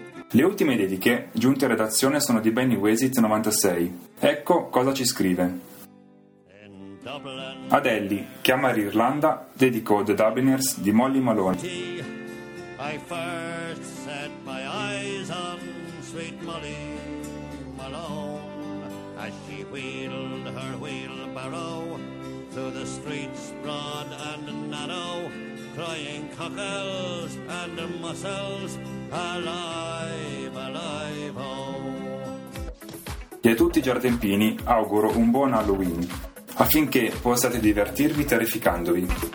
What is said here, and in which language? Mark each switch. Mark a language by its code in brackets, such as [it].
[it] Le ultime dediche giunte in redazione sono di Benny Wesit 96. Ecco cosa ci scrive. Ad Ellie, che ama l'Irlanda, dedico The Dubliners di Molly Malone. [en] I first set my eyes on sweet Molly Malone as she wheeled her wheelbarrow through the streets broad and narrow, crying cockles and mussels. Alive, alive, oh. [it] E a tutti i giardempini auguro un buon Halloween, affinché possiate divertirvi terrificandovi.